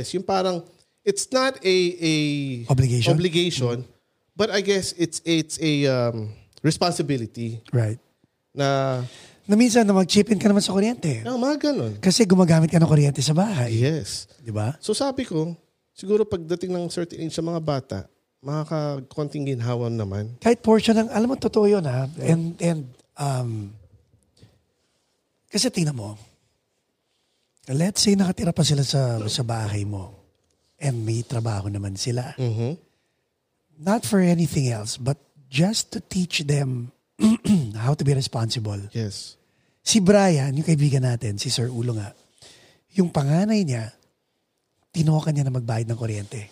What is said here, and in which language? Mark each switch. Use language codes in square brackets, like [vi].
[en] Yes, [tl] yung parang [en] it's not a obligation. But I guess it's a responsibility. Right. [tl] Na minsan na mag-chip in ka naman sa kuryente. No, mga ganun. Kasi gumagamit ka ng kuryente sa bahay. [en] Yes. [tl] Diba? So sabi ko, siguro pagdating ng [en] certain age [tl] sa mga bata, makakakonting ginhawan naman. Kahit portion ng, alam mo, totoo yun ha. And kasi tingnan mo, [en] let's say [tl] nakatira pa sila sa bahay mo and may trabaho naman sila. Mm-hmm. [en] Not for anything else, but just to teach them how to be responsible. Yes. [tl] Si Brian, yung kaibigan natin, si Sir Ulo nga, yung panganay niya, tinoka niya na magbayad ng kuryente.